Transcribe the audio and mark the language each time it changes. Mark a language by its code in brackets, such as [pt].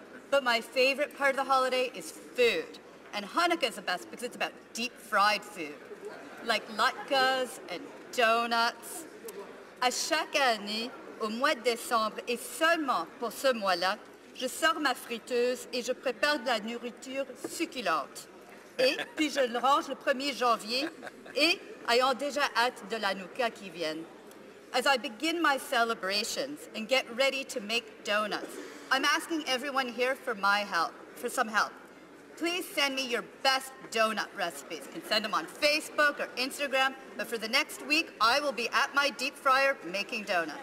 [en] But my favorite part of the holiday is food, and Hanukkah is the best because it's about deep-fried food, like latkes and donuts. [fr] À chaque année, au mois de décembre, et seulement pour ce mois-là, je sors ma friteuse et je prépare de la nourriture succulente. Et puis je le range le 1er janvier et ayant déjà hâte de la Hanukkah qui vient. [en] As I begin my celebrations and get ready to make donuts, I'm asking everyone here for some help. Please send me your best donut recipes. You can send them on Facebook or Instagram, but for the next week, I will be at my deep fryer making donuts.